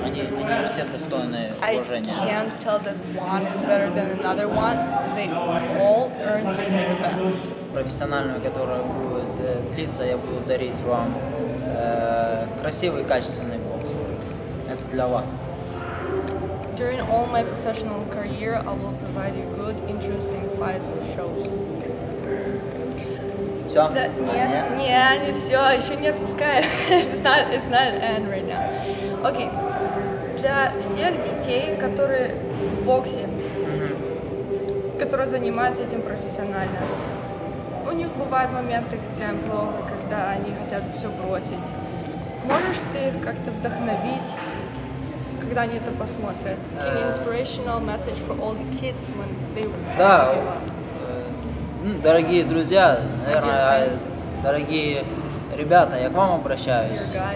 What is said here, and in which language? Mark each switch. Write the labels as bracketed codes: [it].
[ru] Они все достойны уважения. [en] I can't tell that one is better than another one. They all earn to be the best. [ru] Профессиональную, которая будет длиться, я буду дарить вам красивый, качественный бокс. Это для вас. [en] During all my professional career, I will provide you good, interesting fights and shows. [ru] Все? Да, не все, еще не отпускаю. [en] It's not end right now. Окей. [ru] Для всех детей, которые в боксе, которые занимаются этим профессионально, у них бывают моменты прям плохо, когда они хотят все бросить. Можешь ты их как-то вдохновить, когда они это посмотрят? [en] Can you inspirational message for all the kids when they were trying to give up? [ru] Дорогие друзья, наверное, дорогие ребята, я к вам обращаюсь.